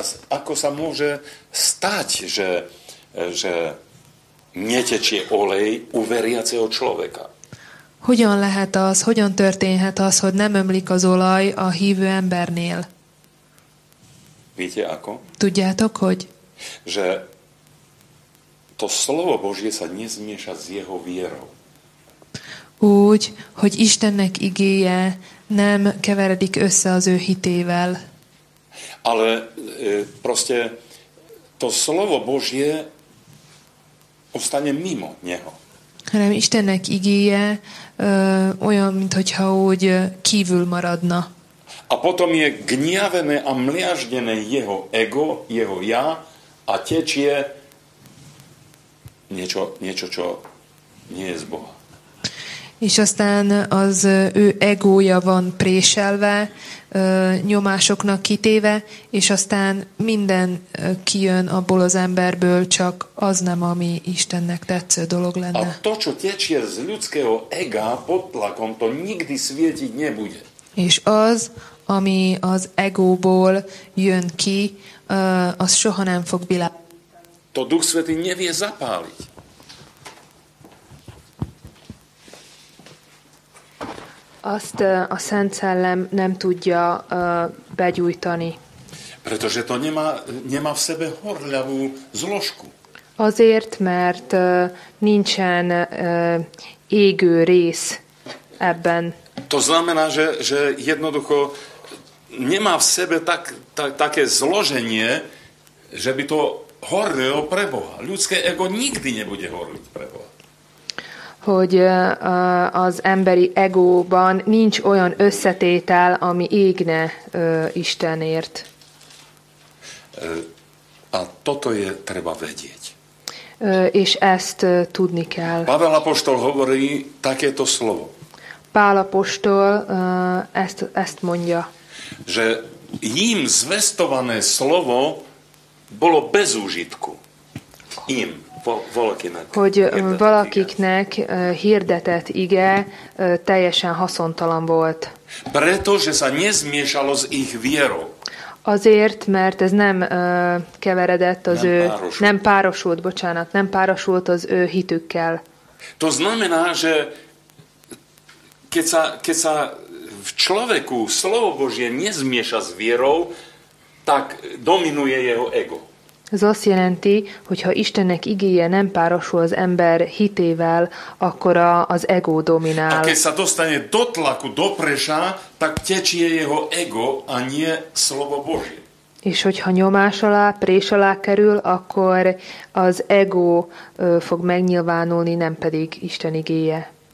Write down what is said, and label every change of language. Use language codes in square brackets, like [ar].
[sk] Ako sa môže stať, že netečie olej u veriaceho človeka? [hu] Hogyan lehet az, hogyan történhet az, hogy nem ömlik az olaj a hívő embernél? [sk] Víte ako? [hu] Tudjátok, hogy? [sk] Že to slovo Božie sa nezmieša s jeho vierou. [hu] Úgy, hogy Istennek igéje nem keveredik össze az ő hitével. [sk] Ale proste to slovo Božie ostane mimo neho. [hu] Hanem Istennek igéje olyan, mintha úgy kívül maradna. [sk] A potom je gniavené a mliaždené jeho ego, jeho ja, a tečie niečo, čo nie je z Boha. [hu] És aztán az ő egója van préselve, nyomásoknak kitéve, és aztán minden kijön abból az emberből, csak az nem, ami Istennek tetsző dolog lenne. [sk] A to, čo tečie z ľudského ega pod tlakom, to nikdy svietiť nebude. [hu] És az, ami az egóból jön ki, az soha nem fog világítani. [sk] To Duch Svätý nevie zapáliť. [hu] Azt a Szent Szellem nem tudja begyújtani. [sk] Pretože to nemá v sebe horľavú zložku. [hu] Azért, mert nincsen égő rész ebben. [sk] To znamená, že jednoducho nemá v sebe také zloženie, že by to horlilo pre Boha. Ľudské ego nikdy nebude horliť pre Boha. [hu] Hogy az emberi egóban nincs olyan összetétel, ami égne Istenért. [sk] A toto je treba vedieť. [hu] És ezt tudni kell. [sk] Pavel apostol hovorí takéto slovo. [hu] Pál apostol ezt mondja. [sk] Že jim zvestované slovo bolo bez úžitku. Im. [hu] Hogy valakiknek hirdetett ige teljesen haszontalan volt. [sk] Pretože sa nezmiešalo s ich vierou. [hu] Azért, mert ez nem keveredett az nem párosult az ő hitükkel. [sk] To znamená, že keď sa v človeku slovo Božie nezmieša s vierou, tak dominuje jeho ego. [hu] Ez azt jelenti, hogy ha Istennek igéje nem párosul az ember hitével, akkor az ego dominál. [sk] A keď sa dostane do tlaku, do preša, tak tečie jeho ego, a nie slovo Božie. [hu] És hogyha nyomás alá, prés alá kerül, akkor az ego fog megnyilvánulni, nem pedig Isten igéje.